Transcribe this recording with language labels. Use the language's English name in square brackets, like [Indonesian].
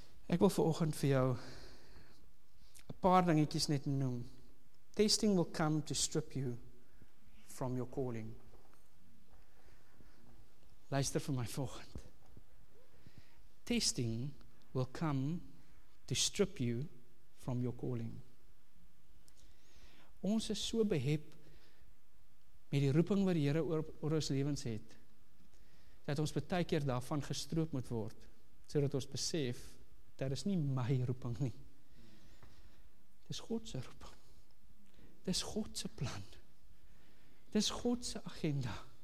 [Afrikaans] Ek wil vanoggend vir jou 'n paar dingetjies net noem. [English] Testing will come to strip you from your calling. [Afrikaans] Luister vir my volgend. [English] Testing will come to strip you from your calling. [Afrikaans] Ons is so behep met die roeping wat die Here oor ons lewens het, dat ons baie keer daarvan gestroop moet word, sodat ons besef, dat is nie my roeping nie. Dis God se roeping. Dis God se plan. Dis God se agenda.